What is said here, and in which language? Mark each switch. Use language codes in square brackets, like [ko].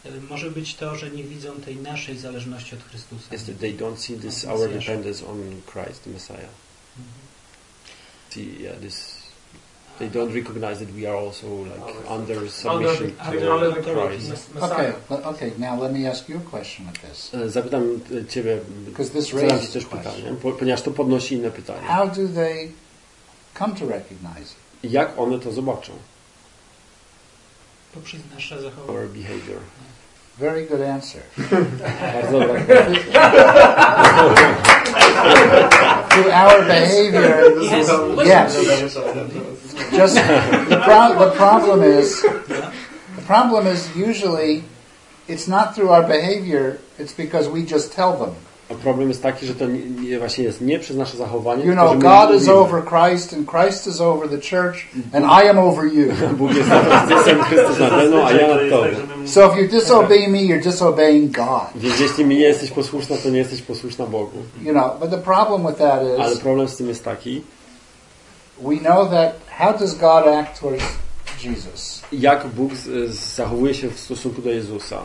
[pl] może być to, że nie widzą tej naszej zależności od Chrystusa. [en] Yes, they don't see this our dependence on Christ, the Messiah. Mm-hmm. See, yeah, this. They don't recognize that we are also like under submission under to Christ. Okay. Now let me ask you a question with this. [pl] Zapytam ciebie. [en] Because this raises [pl] pytanie, ponieważ to podnosi inne pytanie. [en] How do they come to recognize it? [pl] Jak one to zobaczą? Poprzez nasze zachowanie. [en] Our behavior. Very good answer. [pl] Bardzo dobra. [en] Through our behavior. Yes. Just the problem is usually it's not through our behavior, it's because we just tell them. [pl] A problem jest taki, że to nie, właśnie jest nie przez nasze zachowanie. [en] You know, God is over Christ and Christ is over the church and I am over you. [pl] Bóg jest nad Chrystusem, Chrystus nade mną, a ja nad tobą. [en] So if you disobey me, you're disobeying God. [pl] Więc jeśli mi nie jesteś posłuszna, to nie jesteś posłuszna Bogu. [en] You know, but the problem with that is. [pl] Ale problem z tym jest taki. [en] We know that how does God act towards Jesus? [pl] Jak Bóg zachowuje się w stosunku do Jezusa?